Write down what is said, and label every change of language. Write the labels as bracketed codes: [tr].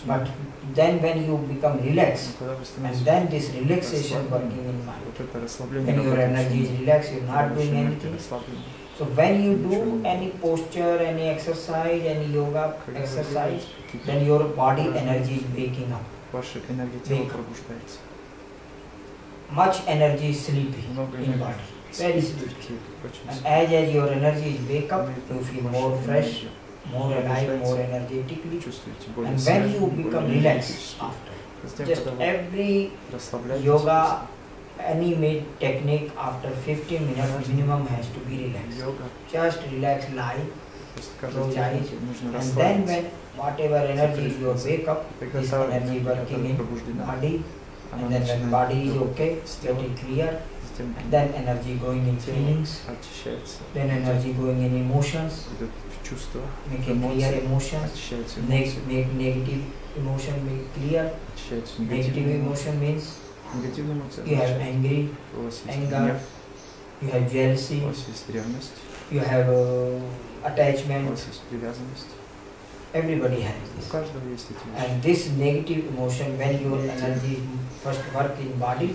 [en] But then when you become relaxed, and then this relaxation working in mind. [ru] Вот это расслабление. [en] When your energy is relaxed, you're not doing anything. So when you do any posture, any exercise, any yoga exercise, then your body energy is waking up. [ru] Ваша энергия тела пробуждается. [en] Much energy is sleepy in body. Very sleepy. And as your energy is wake up, you feel more fresh, more alive, more energetically. And when you become relaxed after, just every yoga any made technique after 15 minutes minimum has to be relaxed. Yoga. Just relax, lie, close eyes, and then when whatever energy is your wake up, this energy working in body, and then when body is okay, getting clear, and then energy going in feelings, then energy going in emotions, making clear emotions, make negative emotion make clear, negative emotion means [ru] негативные эмоции. [en] You have angry, [ru] у вас есть [en] anger, [ru] гнев, [en] you have jealousy, [ru] у вас есть ревность, [en] you have attachment, [ru] у вас есть привязанность. [en] Everybody has this. [ru] У каждого есть эти эмоции. [en] And this negative emotion, when your energy first work in body,